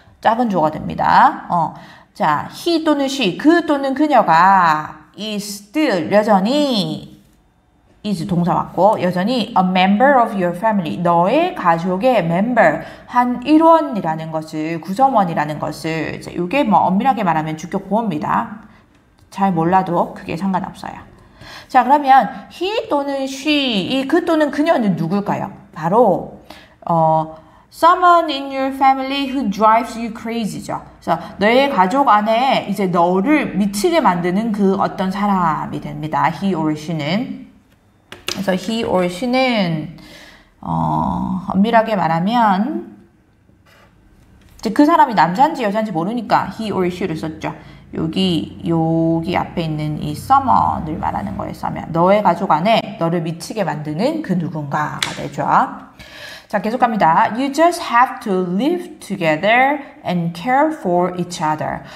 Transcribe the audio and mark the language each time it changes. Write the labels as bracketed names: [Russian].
[Korean] 작은 주어가 됩니다. 자, he 또는 she, 그 또는 그녀가 is still, 여전히 is 동사 왔고 여전히 [English] a member of your family, [Korean] 너의 가족의 member, 한 일원이라는 것을, 구성원이라는 것을 이제 이게 뭐 엄밀하게 말하면 주격 보호입니다. 잘 몰라도 그게 상관없어요. 자, 그러면 he 또는 she, 이 그 또는 그녀는 누굴까요? 바로 [English] someone in your family who drives you crazy죠. [Korean] 그래서 너의 가족 안에 이제 너를 미치게 만드는 그 어떤 사람이 됩니다. He or she는. 그래서 he or she는 엄밀하게 말하면 그 사람이 남자인지 여자인지 모르니까 he or she를 썼죠. 여기 앞에 있는 이 someone을 말하는 거예요. 그러면 너의 가족 안에 너를 미치게 만드는 그 누군가가 되죠. 자, 계속 갑니다. [English] You just have to live together and care for each other.